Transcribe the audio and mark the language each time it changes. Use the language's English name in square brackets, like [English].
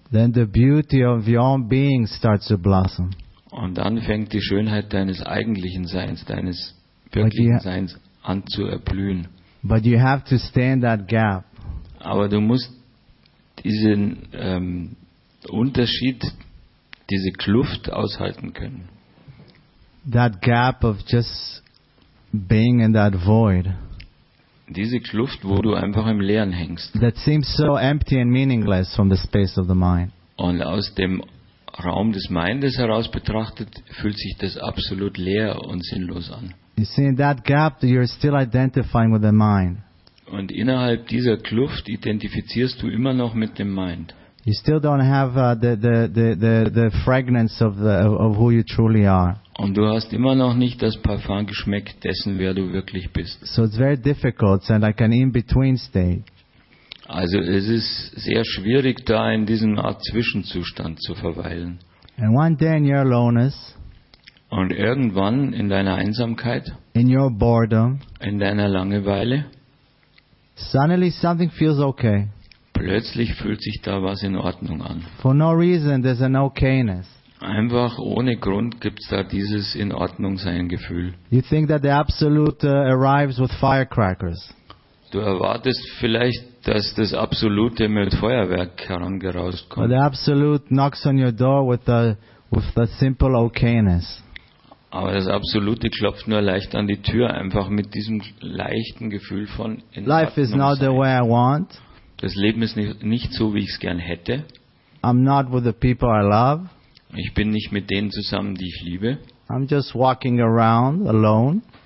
[English] Then the beauty of your own being starts to blossom. [German] Und dann fängt die Schönheit deines eigentlichen Seins, deines wirklichen Seins an zu erblühen. [English] But you have to stay in that gap. [German] Aber du musst diesen Unterschied, diese Kluft aushalten können. [English] That gap of just being in that void. [German] Diese Kluft, wo du einfach im Leeren hängst. [English] That seems so empty and meaningless from the space of the mind. [German] Und aus dem Raum des Mindes heraus betrachtet, fühlt sich das absolut leer und sinnlos an. [English] You see, in that gap, you're still identifying with the mind. [German] Und innerhalb dieser Kluft identifizierst du immer noch mit dem Mind. [English] You still don't have the fragrance of who you truly are. [German] Und du hast immer noch nicht das Parfum geschmeckt dessen, wer du wirklich bist. [English] So it's very difficult, so like an in-between state. [German] Also es ist sehr schwierig, da in diesem Art Zwischenzustand zu verweilen. [English] And one day in your aloneness, [German] und irgendwann in deiner Einsamkeit, [English] in your boredom, [German] in deiner Langeweile, [English] suddenly something feels okay. [German] Plötzlich fühlt sich da was in Ordnung an. [English] For no reason, there's an okayness. [German] Einfach ohne Grund gibt's da dieses in Ordnung sein Gefühl. [English] You think that the absolute arrives with firecrackers. [German] Du erwartest vielleicht, dass das Absolute mit Feuerwerk herangerauscht kommt. [English] But the absolute knocks on your door with a simple okayness. [German] Aber das Absolute klopft nur leicht an die Tür, einfach mit diesem leichten Gefühl von in Ordnung sein. [English] Life is not the way I want. [German] Das Leben ist nicht so, wie ich es gern hätte. [English] I'm not with the people I love. [German] Ich bin nicht mit denen zusammen, die ich liebe. [English] I'm just walking around alone.